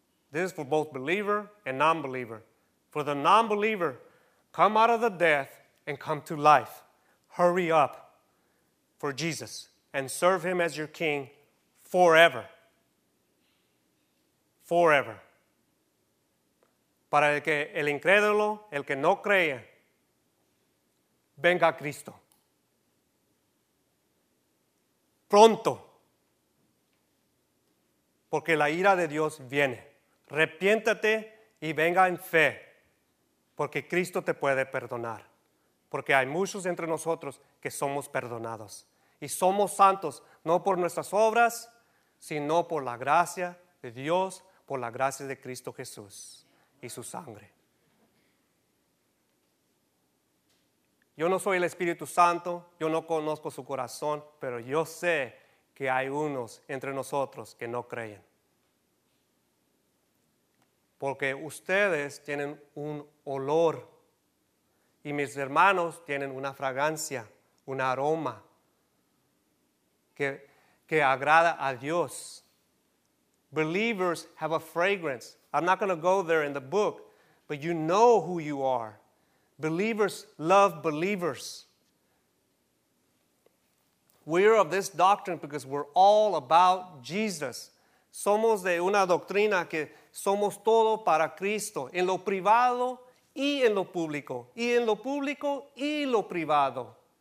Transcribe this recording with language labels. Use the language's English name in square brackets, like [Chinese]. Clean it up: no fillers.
[English] This is for both believer and non-believer. For the non-believer, come out of the death and come to life. Hurry up for Jesus and serve him as your king forever. Forever. [Spanish] Para que el incrédulo, el que no cree, venga a Cristo. Pronto. Porque la ira de Dios viene. Arrepiéntate y venga en fe. Porque Cristo te puede perdonar. Porque hay muchos entre nosotros que somos perdonados. Y somos santos, no por nuestras obras, sino por la gracia de Dios, por la gracia de Cristo Jesús y su sangre. Yo no soy el Espíritu Santo, yo no conozco su corazón, pero yo sé que hay unos entre nosotros que no creen. Porque ustedes tienen un olor. Y mis hermanos tienen una fragancia, un aroma que agrada a Dios. [English] Believers have a fragrance. I'm not going to go there in the book, but you know who you are. Believers love believers. We're of this doctrine because we're all about Jesus. [Spanish] Somos de una doctrina que somos todo para Cristo, en lo privado y en lo público, y en lo público y lo privado.